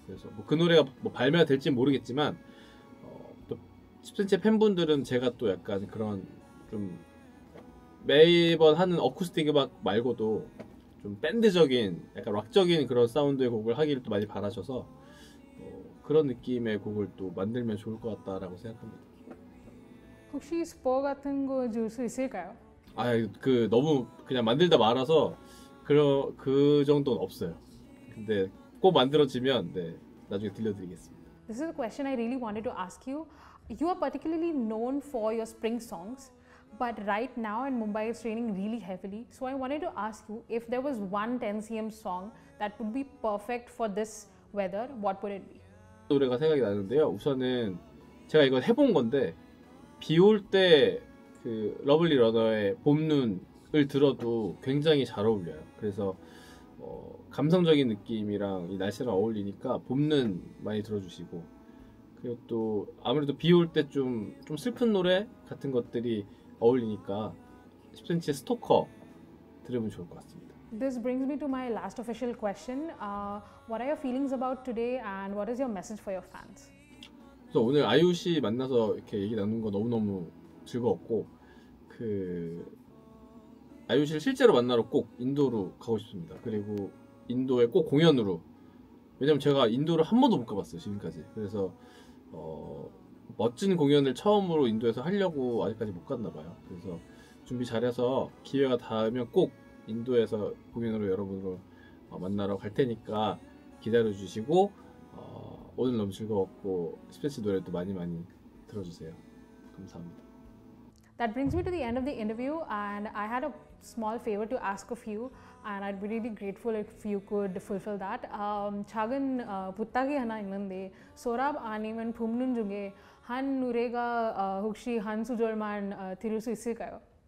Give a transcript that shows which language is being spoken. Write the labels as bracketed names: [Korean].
[Korean] 그래서 뭐 그 노래가 뭐 발매가 될지 모르겠지만 또 10cm 팬분들은 제가 또 약간 그런 좀 매번 하는 어쿠스틱 음악 말고도 좀 밴드적인 약간 락적인 그런 사운드의 곡을 하기를 또 많이 바라셔서 그런 느낌의 곡을 또 만들면 좋을 것 같다라고 생각합니다. 혹시 스포 같은 거 줄 수 있을까요? 아, 그 너무 그냥 만들다 말아서 그 정도는 없어요. 근데 꼭 만들어지면 네, 나중에 들려드리겠습니다. [English] This is a question I really wanted to ask you. You are particularly known for your spring songs, but right now in Mumbai it's raining really heavily. So I wanted to ask you if there was one 10cm song that would be perfect for this weather, what would it be? [Korean] 노래가 생각이 나는데요. 우선은 제가 이걸 해본 건데 비 올 때 그 러블리 러너의 봄눈을 들어도 굉장히 잘 어울려요. 그래서 감성적인 느낌이랑 이 날씨랑 어울리니까 봄눈 많이 들어주시고 그리고 또 아무래도 비 올 때 좀 슬픈 노래 같은 것들이 어울리니까 10cm의 스토커 들으면 좋을 것 같습니다. [English] This brings me to my last official question. What are your feelings about today and what is your message for your fans? [Korean] 그래서 오늘 아이유 씨 만나서 이렇게 얘기 나누는 거 너무너무 즐거웠고 그 아이유 씨를 실제로 만나러 꼭 인도로 가고 싶습니다. 그리고 인도에 꼭 공연으로 왜냐면 제가 인도를 한 번도 못 가봤어요 지금까지. 그래서 멋진 공연을 처음으로 인도에서 하려고 아직까지 못 갔나 봐요. 그래서 준비 잘해서 기회가 닿으면 꼭 인도에서 공연으로 여러분을 만나러 갈 테니까 기다려주시고 오늘 너무 즐거웠고 스페셜 노래도 많이 많이 들어주세요. 감사합니다. [English] That brings me to the end of the interview and I had a small favor to ask of you and I'd be really grateful if you could fulfill that. [Korean] 작은 부탁이 하나 있는데 소랍 아니면 품눈 중에 한 노래가 혹시 한 소절만 들을 수 있을까요?